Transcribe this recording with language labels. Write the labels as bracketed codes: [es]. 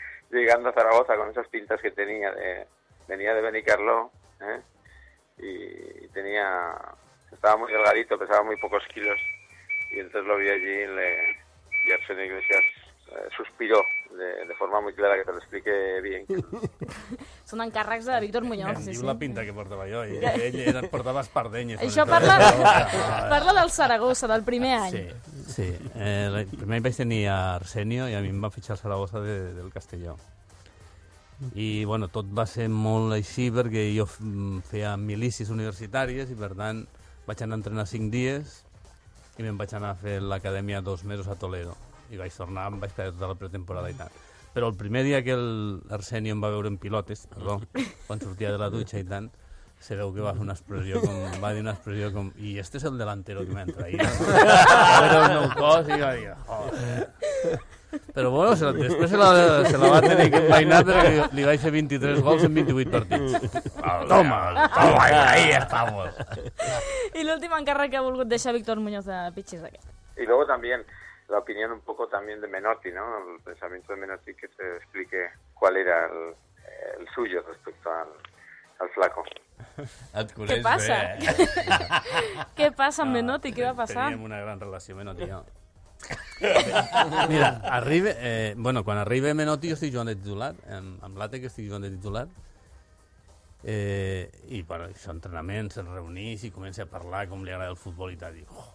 [es] Llegando a Zaragoza con esas pintas que tenía. Venía de Benicarló, ¿eh? Y tenía... Estaba muy delgadito, pesaba muy pocos kilos. Y entonces lo vi allí y Arsenio Iglesias suspiró. De forma muy clara, que te lo explique bien. [ca] Són encàrrecs de Víctor Muñoz. Em diu la pinta que portava jo. Ell portava espardenyes. Això parla del Saragossa, del primer any. Sí. El primer any vaig tenir a Arsenio i a mi em va fitxar el Saragossa del Castelló. I, bueno, tot va ser molt així perquè jo feia milícies universitàries i, per tant, vaig anar a entrenar 5 dies i me'n vaig anar a fer l'acadèmia 2 mesos a Toledo. I vaig tornar, em vaig quedar tota la pretemporada i tant. Però el primer dia que l'Arsenio em va veure en pilotes, perdó, quan sortia de la dutxa i tant, se veu que va fer una expressió com... Va dir una expressió com... I este és el delantero que m'entra ahí. Era un nou cos i va dir... Però bueno, després se la va tenir que empainar perquè li vaig fer 23 gols en 28 partits. [es] Toma, ahí estamos. [ca] I l'últim encàrrec que ha volgut deixar Víctor Muñoz de Pichis aquest. [es] I luego también... La opinión un poco también de Menotti, ¿no? El pensamiento de Menotti, que se explique cuál era el suyo respecto al flaco. ¿Qué pasa? ¿Qué pasa, Menotti? ¿Qué va a pasar? [ca] Teníem una gran relació, Menotti. No. Mira, arriba... bueno, quan arriba Menotti, jo estic jugant de titular, amb l'Ate, que estic jugant de titular, i bueno, això, entrenament, se'n reunís i comença a parlar com li agrada el futbol i tal, diu...